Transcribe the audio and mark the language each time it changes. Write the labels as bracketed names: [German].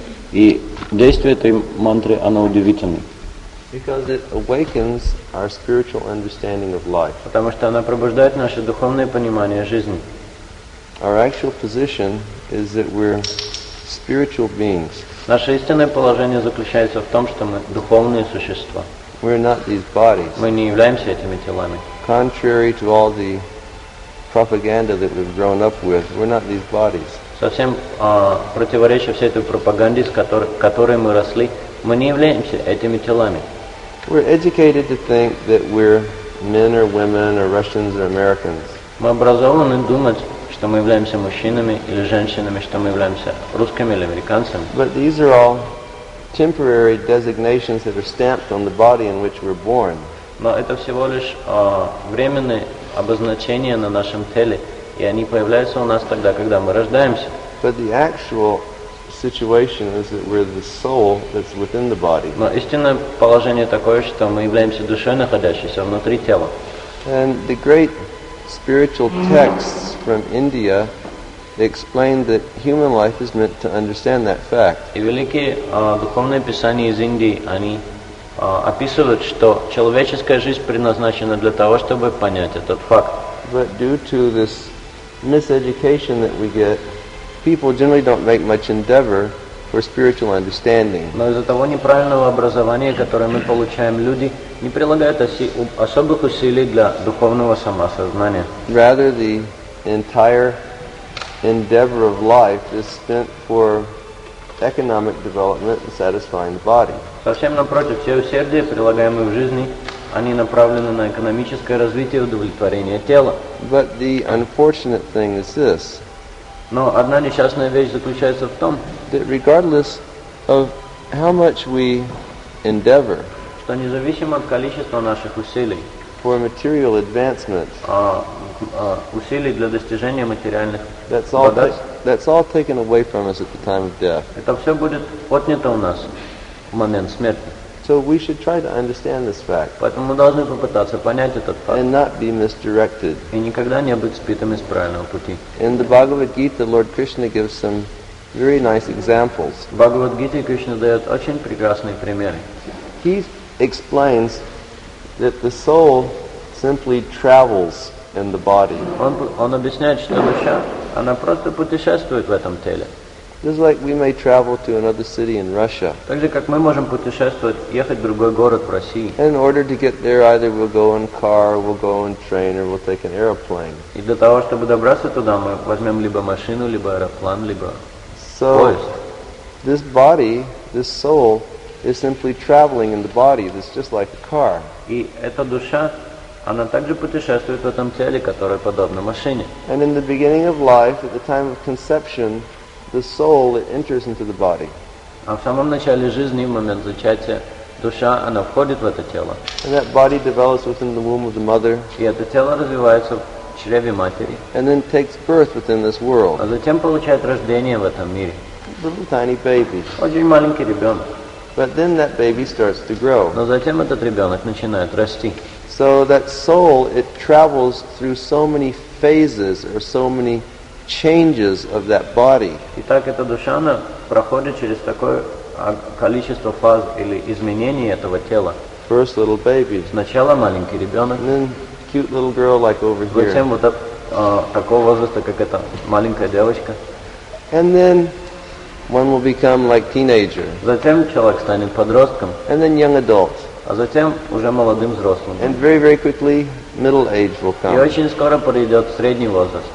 [Russian] И действие этой мантры, оно удивительное. [English] Because it awakens our spiritual understanding of life. [Russian] Потому что она пробуждает наше духовное понимание жизни. [English] Our actual position is that we're spiritual beings. [Russian] Наше истинное положение заключается в том, что мы духовные существа. [English] We're not these bodies. [Russian] Мы не являемся этими телами. [English] Contrary to all the propaganda that we've grown up with, we're not these bodies. [Russian] Совсем противоречит всей этой пропаганде, с которой мы росли. Мы не являемся этими телами. [English] We're educated to think that we're men or women or Russians or Americans. [Russian] Мы образованы думать, что мы являемся мужчинами или женщинами, что мы являемся русскими или американцами. [English] But these are all temporary designations that are stamped on the body in which we're born. [Russian] Но это всего лишь временные обозначения на нашем теле, и они появляются у нас тогда, когда мы рождаемся. [English] But the actual situation is that we're the soul that's within the body. [Russian] Но истинное положение такое, что мы являемся душой, находящейся внутри тела. [English] And the great spiritual texts from India explain that human life is meant to understand that fact. [Russian] И великие духовные писания из Индии, они описывают, что человеческая жизнь предназначена для того, чтобы понять этот факт. [English] But due to this miseducation that we get, people generally don't make much endeavor for spiritual understanding. [Russian] Но из-за того неправильного образования, которое мы получаем, люди не прилагают особых усилий для духовного самосознания. [English] Rather, the entire endeavor of life is spent for economic development and satisfying the body. [Russian] Совсем напротив, все усердия, прилагаемые в жизни, они направлены на экономическое развитие и удовлетворение тела. [English] But the unfortunate thing is this. [Russian] Но одна несчастная вещь заключается в том, [English] that regardless of how much we endeavor, [Russian] что независимо от количества наших усилий, [English] for material advancement, [Russian] усилий для достижения материальных богатств, [English] that's all taken away from us at the time of death. [Russian] Это все будет отнято у нас в момент смерти. [English] So we should try to understand this fact. [Russian] Поэтому мы должны попытаться понять этот факт. [English] And not be misdirected. [Russian] И никогда не быть сбитым из правильного пути. [English] In the Bhagavad Gita, Lord Krishna gives some very nice examples. [Russian] В Бхагавад Гите Кришна дает очень прекрасные примеры. [English] He explains that the soul simply travels in the body. [Russian] Он объясняет, что душа, она просто путешествует в этом теле. [English] Just like we may travel to another city in Russia. [Russian] Так же, как мы можем путешествовать, ехать в другой город в России. [English] In order to get there, either we'll go in car, or we'll go in train, or we'll take an aeroplane. [Russian] И для того, чтобы добраться туда, мы возьмем либо машину, либо аэроплан, либо [English] so, [Russian] поезд. [English] This body, this soul, is simply traveling in the body. It's just like a car. [Russian] И эта душа, она также путешествует в этом теле, которое подобно машине. [English] And in the beginning of life, at the time of conception, the soul it enters into the body. [Russian] А в самом начале жизни, в момент зачатия, душа, она входит в это тело. [English] And that body develops within the womb of the mother. [Russian] И это тело развивается в чреве матери. [English] And then takes birth within this world. [Russian] А затем получает рождение в этом мире. [English] Little tiny baby. [Russian] Очень маленький ребенок. [English] But then that baby starts to grow. [Russian] Но затем этот ребенок начинает расти. [English] So that soul it travels through so many phases or so many changes of that body. [Russian] Итак, эта душа, она проходит через такое количество фаз или изменений этого тела. [English] First little baby. [Russian] Сначала маленький ребенок. [English] Then cute little girl like over here. [Russian] Затем вот такого возраста, как эта маленькая девочка. [English] And then one will become like teenager. [Russian] Затем человек станет подростком. [English] And then young adult. [Russian] А затем уже молодым взрослым. [English] And very, very quickly, middle age will come. [Russian] И очень скоро придет средний возраст.